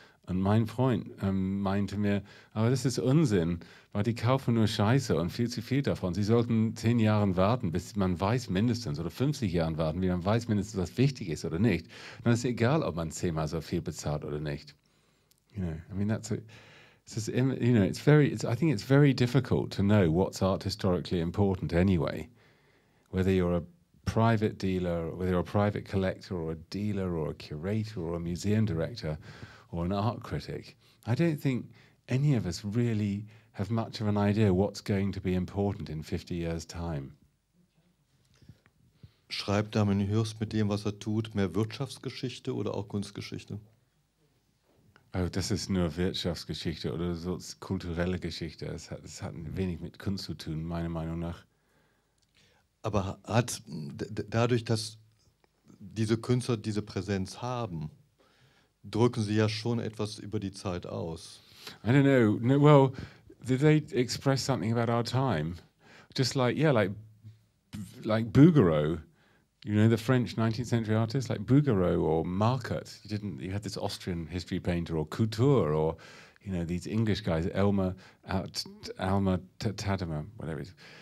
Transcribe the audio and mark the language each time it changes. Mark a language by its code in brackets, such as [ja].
[de] Und mein Freund meinte mir, aber das ist Unsinn, weil die kaufen nur Scheiße und viel zu viel davon. Sie sollten 10 Jahre warten, bis man weiß mindestens, oder 50 Jahre warten, wie man weiß mindestens, was wichtig ist oder nicht. Und dann ist es egal, ob man 10-mal so viel bezahlt oder nicht. [en] You know, I mean, I think it's very difficult to know what's art historically important anyway, whether you're a private dealer, whether you're a private collector or a dealer or a curator or a museum director or an art critic. I don't think any of us really have much of an idea what's going to be important in 50 years time. [de] Schreibt Damien Hirst mit dem, was tut, mehr Wirtschaftsgeschichte oder auch Kunstgeschichte? Oh, das ist nur Wirtschaftsgeschichte oder so kulturelle Geschichte. Das hat wenig mit Kunst zu tun, meiner Meinung nach. Aber hat dadurch, dass diese Künstler diese Präsenz haben, drücken sie ja schon etwas über die Zeit aus. [en] I don't know. No, well, did they express something about our time? Just like, yeah, like Bouguereau, you know, the French 19th century artist, like Bouguereau or Marquette. You had this Austrian history painter or Couture or, you know, these English guys, Alma Tadema, whatever it is.